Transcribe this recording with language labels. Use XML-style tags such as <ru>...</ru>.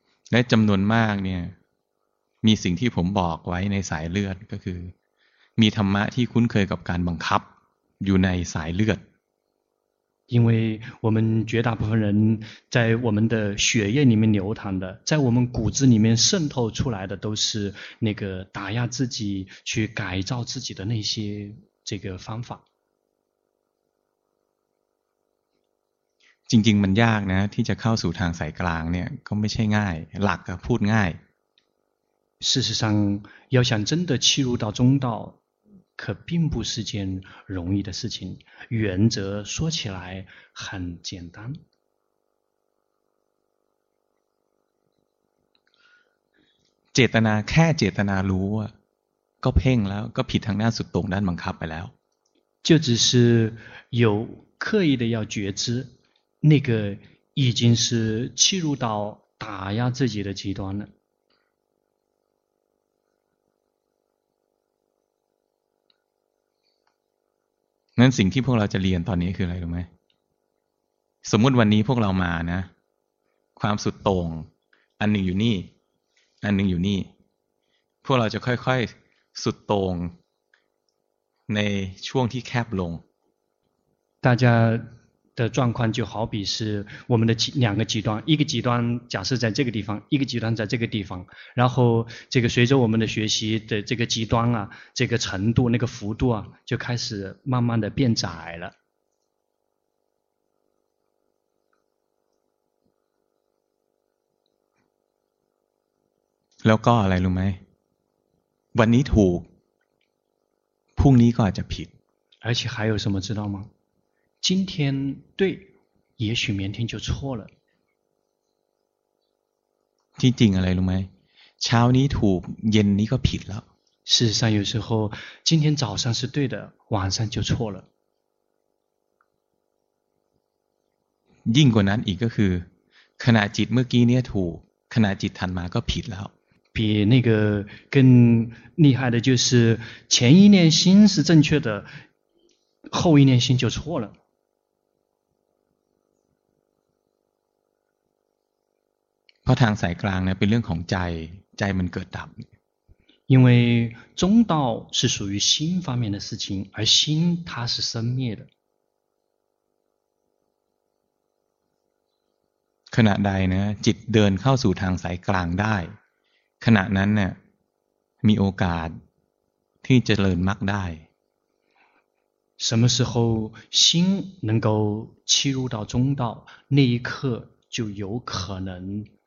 <th>และจำนวนมากเนี่ยมีสิ่งที่ผมบอกไว้ในสายเลือดก็คือมีธรรมะที่คุ้นเคยกับการบังคับอยู่ในสายเลือด</th> <zh>因为我们绝大部分人在我们的血液里面流淌的在我们骨子里面渗透出来的都是那个打压自己去改造自己的那些这个方法</zh> <th>จริงๆมันยากนะที่จะเข้าสู่ทางสายกลางเนี่ยก็ไม่ใช่ง่ายหลักก็พูดง่าย</th> <zh>事实上要想真的切入到中道可并不是件容易的事情原则说起来很简单</zh> <th>เจตนาแค่เจตนารู้ก็เพ่งแล้วก็ผิดทางด้านสุดตรงด้านบังคับไปแล้ว</th> <zh>就只是有刻意的要觉知那个已经是切入到打压自己的极端了。</zh> <th>นั้นสิ่งที่พวกเราจะเรียนตอนนี้คืออะไรรู้ไหมสมมติวันนี้พวกเรามานะความสุดตรงอันหนึ่งอยู่นี่อันหนึ่งอยู่นี่พวกเราจะค่อยๆสุดตรงในช่วงที่แคบลง</th> <zh>大家的状况就好比是我们的两个极端一个极端假设在这个地方一个极端在这个地方然后这个随着我们的学习的这个极端啊这个程度那个幅度啊就开始慢慢的变窄了</zh> <th>แล้วก็อะไรรู้ไหมวันนี้ถูกพรุ่งนี้ก็อาจจะผิด</th> <zh>而且还有什么知道吗今天对也许明天就错了</zh> <th>ที่จริงอะไรรู้ไหมเช้านี้ถูกเย็นนี้ก็ผิดแล้ว</th> <zh>事实上有时候今天早上是对的晚上就错了</zh> <th>ยิ่งกว่านั้นอีกก็คือขณะจิตเมื่อกี้เนี่ยถูกขณะจิตถัดมาก็ผิดแล้ว</th> <zh>比那个更厉害的就是前一念心是正确的后一念心就错了</zh> <th>เพราะทางสายกลางเนี่ยเป็นเรื่องของใจใจมันเกิดดับ</th> <zh>因为中道是属于心方面的事情而心它是生灭的</zh> <th>ขณะใดนะจิตเดินเข้าสู่ทางสายกลางได้ขณะนั้นเนี่ยมีโอกาสที่จะเจริญมรรคได้</th> <zh>什么时候心能够切入到中道那一刻就有可能</zh>